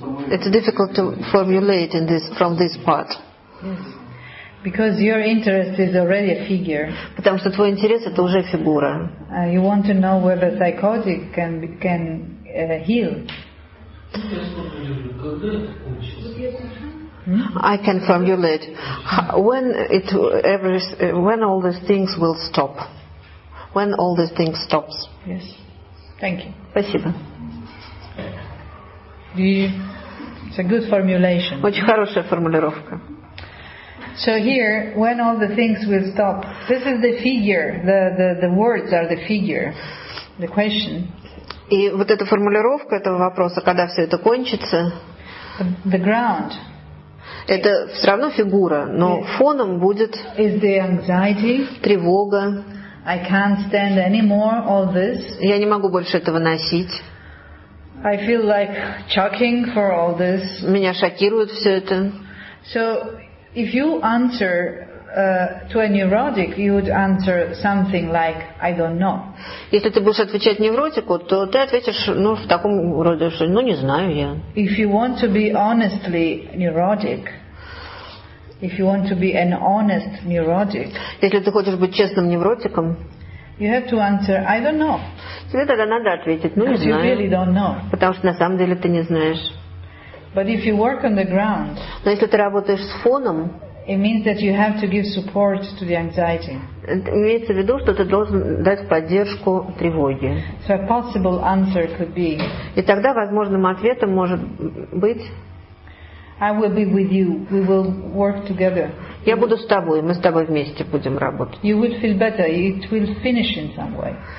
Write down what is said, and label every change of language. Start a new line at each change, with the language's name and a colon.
English: It's difficult to formulate in this from this part. Yes. Because your interest is already a figure.
Russian: Потому что твой интерес это уже фигура.
English: You want to know whether psychotic can heal. I can formulate when all these things will stop. When all these things stops. Yes. Thank you.
Russian: Спасибо.
English: It's a good formulation.
Russian: Очень хорошая формулировка.
English: So here, when all the things will stop, this is the figure. The words are the figure. The question.
Russian: И вот эта формулировка этого вопроса, когда все это кончится.
English: The ground.
Russian: Это все равно фигура, но фоном будет.
English: Is the anxiety.
Russian: Тревога.
English: I can't stand anymore all this.
Russian: Я не могу больше этого носить.
English: I feel like shocking for all this.
Russian: Меня шокирует все это.
English: So, if you answer to a neurotic, you would answer something like, I don't know.
Russian: Если ты будешь отвечать невротику, то ты ответишь, ну, в таком роде, что, ну, не знаю я.
English: If you want to be honestly neurotic, if you want to be an honest neurotic,
Russian: если ты хочешь быть честным невротиком,
English: you have to answer, I don't know.
Russian: Тебе тогда надо ответить, ну, не знаю.
English: Because you really don't know.
Russian: Потому что на самом деле ты не знаешь.
English: But if you work on the ground,
Russian: но если ты работаешь с фоном,
English: it means that you have to give support to the anxiety.
Russian: Имеется в виду, что ты должен дать поддержку тревоге.
English: So a possible answer could be,
Russian: и тогда возможным ответом может быть,
English: I will be with you. We will work together.
Russian: Я буду с тобой, мы с тобой вместе будем работать.
English: You will feel better. It will finish in some way.